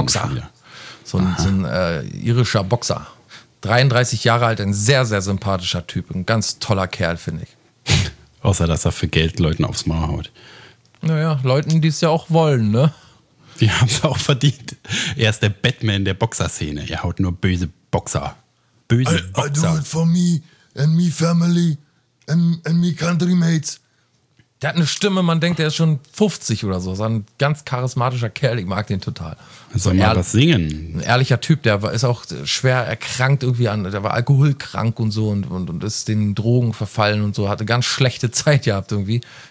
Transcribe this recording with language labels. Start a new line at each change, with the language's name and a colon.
German: Boxer. Spieler? So ein irischer Boxer. 33 Jahre alt, ein sehr, sehr sympathischer Typ. Ein ganz toller Kerl, finde ich. Außer, dass er für Geld Leuten aufs Maul haut. Naja, Leuten, die es ja auch wollen, ne? Die haben es auch verdient. Er ist der Batman der Boxerszene. Er haut nur böse Boxer. Böse Boxer.
English: I do it for me and me family and me country mates.
German: Der hat eine Stimme, man denkt, der ist schon 50 oder so. Ist ein ganz charismatischer Kerl, ich mag den total. Soll mal das singen? Ein ehrlicher Typ, der ist auch schwer erkrankt irgendwie an, der war alkoholkrank und so und ist den Drogen verfallen und so, hatte ganz schlechte Zeit gehabt irgendwie.